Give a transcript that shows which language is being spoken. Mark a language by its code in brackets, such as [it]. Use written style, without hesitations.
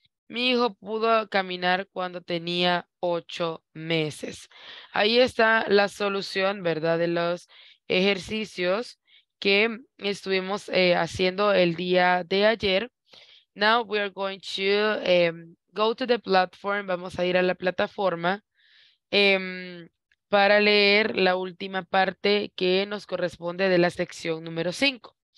[es] Mi hijo pudo caminar cuando tenía 8 meses. Ahí está la solución, ¿verdad? De los ejercicios que estuvimos haciendo el día de ayer. [en] Now we are going to go to the platform. [es] Vamos a ir a la plataforma para leer la última parte que nos corresponde de la sección número 5.